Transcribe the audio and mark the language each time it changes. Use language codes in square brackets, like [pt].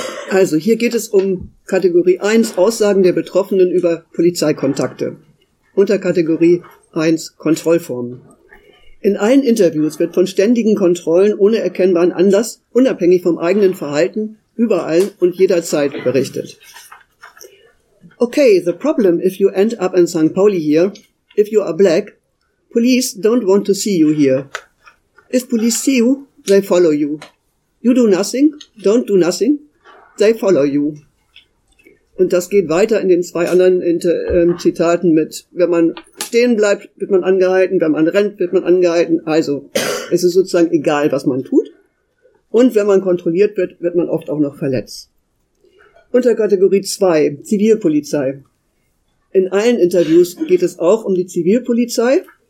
[de] Also hier geht es um Kategorie 1, Aussagen der Betroffenen über Polizeikontakte. Unterkategorie 1, Kontrollformen. In allen Interviews wird von ständigen Kontrollen ohne erkennbaren Anlass, unabhängig vom eigenen Verhalten, überall und jederzeit berichtet. [en] Okay, the problem if you end up in St. Pauli here, if you are black, police don't want to see you here. If police see you, they follow you. You do nothing, don't do nothing, they follow you. [de] Und das geht weiter in den zwei anderen Zitaten mit, wenn man stehen bleibt, wird man angehalten, wenn man rennt, wird man angehalten. Also es ist sozusagen egal, was man tut. Und wenn man kontrolliert wird, wird man oft auch noch verletzt. Unterkategorie 2, Zivilpolizei. In allen Interviews geht es auch um die Zivilpolizei.